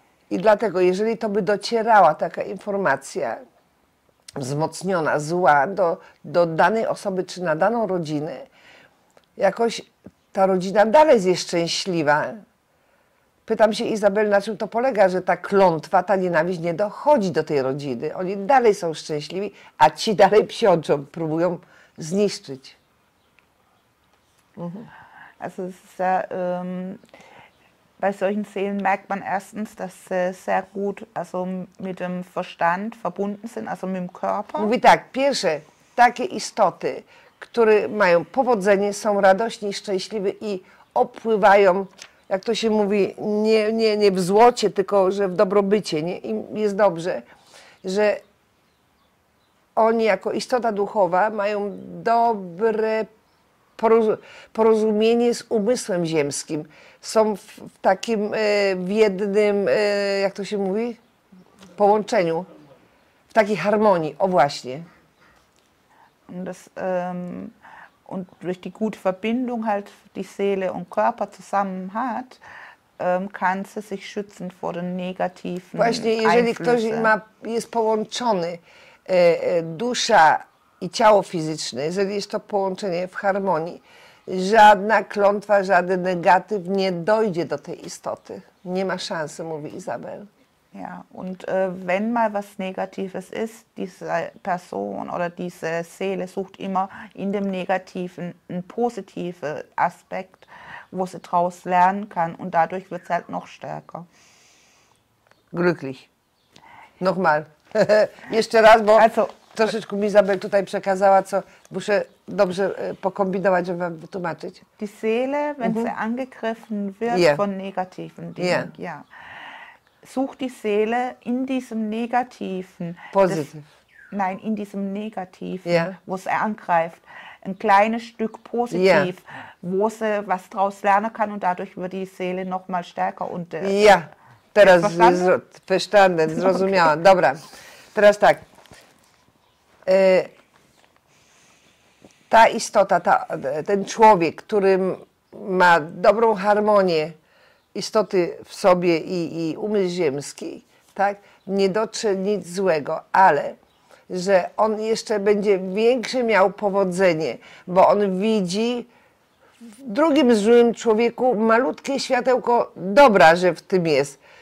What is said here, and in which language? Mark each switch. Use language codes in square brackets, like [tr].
[pl] I dlatego, jeżeli to by docierała taka informacja wzmocniona, zła do danej osoby czy na daną rodzinę, jakoś ta rodzina dalej jest szczęśliwa. Pytam się Izabel, na czym to polega, że ta klątwa, ta nienawiść nie dochodzi do tej rodziny. Oni dalej są szczęśliwi, a ci dalej psioczą, próbują zniszczyć. Mhm. [de] Also es ist sehr, bei solchen Seelen merkt man erstens, dass sie sehr gut also mit dem Verstand verbunden sind, also mit dem Körper. [pl] Mówi tak, pierwsze, takie istoty, które mają powodzenie, są radośni, szczęśliwi i opływają, jak to się mówi, nie w złocie, tylko że w dobrobycie, nie? Im jest dobrze, że oni jako istota duchowa mają dobre porozumienie z umysłem ziemskim. Są w takim w jednym, jak to się mówi, połączeniu, w takiej harmonii, o właśnie. [de] Und durch die gute Verbindung halt die Seele und Körper zusammen hat, kann sie sich schützen vor den negativen. [pl] Właśnie, jeżeli ktoś jest połączony, dusza i ciało fizyczne, jeżeli jest to połączenie w harmonii, żadna klątwa, żaden negatyw nie dojdzie do tej istoty. Nie ma szansy, mówi Izabel. [de] Ja, und wenn mal was Negatives ist, diese Person oder diese Seele sucht immer in dem Negativen einen positiven Aspekt, wo sie daraus lernen kann und dadurch wird sie halt noch stärker. Glücklich. Nochmal. [pl] Jeszcze raz, bo also, troszeczkę Izabel tutaj przekazała, co muszę dobrze pokombinować, żeby wam wytłumaczyć. [de] Die Seele, wenn sie angegriffen wird von negativen Dingen, sucht die Seele in diesem negativen, positiv. Nein, in diesem negativen, wo sie angreift, ein kleines Stück positiv, wo sie was draus lernen kann und dadurch wird die Seele noch mal stärker und [pl] Teraz verstanden, zrozumiałam. Okay. Dobra, teraz tak. Ta istota, ten człowiek, który ma dobrą harmonię istoty w sobie i umysł ziemski, tak, nie dotrze nic złego, ale że on jeszcze będzie większe miał powodzenie, bo on widzi w drugim złym człowieku malutkie światełko dobra, że w tym jest.